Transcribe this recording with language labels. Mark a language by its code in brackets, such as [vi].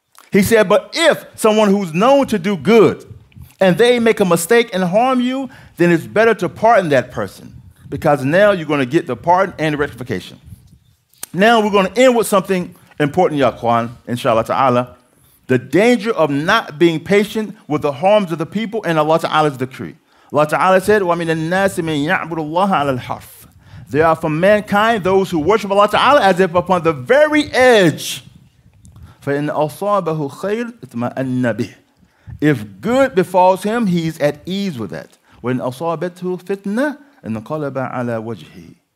[en] He said, but if someone who's known to do good and they make a mistake and harm you, then it's better to pardon that person because now you're going to get the pardon and the rectification. Now we're going to end with something important, Ya Kwan, inshallah ta'ala. The danger of not being patient with the harms of the people and Allah ta'ala's decree. Allah ta'ala said, [ar] وَمِنَ النَّاسِ مِنْ يَعْبُدُ اللَّهَ عَلَى الْحَرْفِ. [en] There are from mankind those who worship Allah ta'ala as if upon the very edge. [ar] فَإِنْ أَصَابَهُ خَيْرٌ اِطْمَأَنَّ بِهِ. [en] If good befalls him, he's at ease with that. [ar] وَإِنْ أَصَابَتْهُ فِتْنَةٌ انْقَلَبَ عَلَى وَجْهِهِ.